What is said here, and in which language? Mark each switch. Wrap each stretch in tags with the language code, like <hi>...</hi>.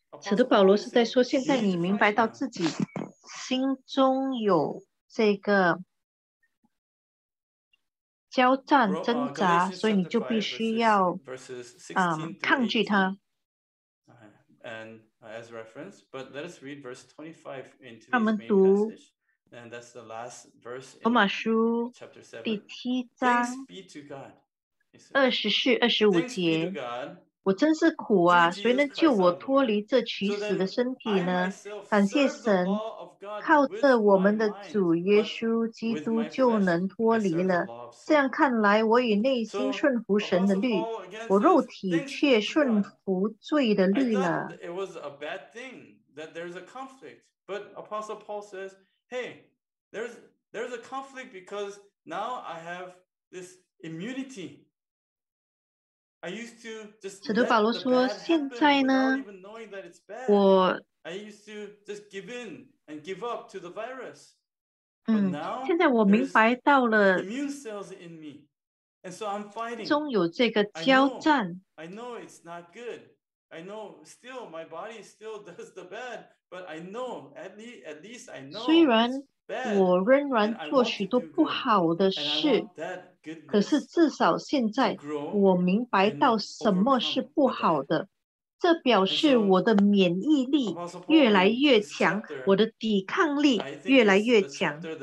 <zh>使徒保罗是在说，现在你明白到自己心中有这个交战挣扎，所以你就必须要抗拒它。</zh> <en>And as reference, but let us read verse 25 into this main passage. And that's the last verse in chapter 7.</en> <zh>罗马书第七章24-25节。我真是苦啊，谁能救我脱离这取死的身体呢？感谢神，靠着我们的主耶稣基督就能脱离了。这样看来，我与内心顺服神的律，我肉体却顺服罪的律了。</zh> <en>It was a bad thing that there's a conflict, but Apostle Paul says, "Hey, there's a conflict because now I have this immunity." I used to just</en> <zh>使徒保罗说，现在呢，我</zh> <en>I used to just give in and give up to the virus.</en> <zh>现在我明白到了</zh> <en>immune cells in me, and so I'm fighting.</en> <zh>中有这个交战。</zh> <en>I know it's not good. I know still my body still does the bad, but I know at least I know.</en> <zh>虽然我仍然做许多不好的事，可是至少现在我明白到什么是不好的，这表示我的免疫力越来越强，我的抵抗力越来越强。</zh>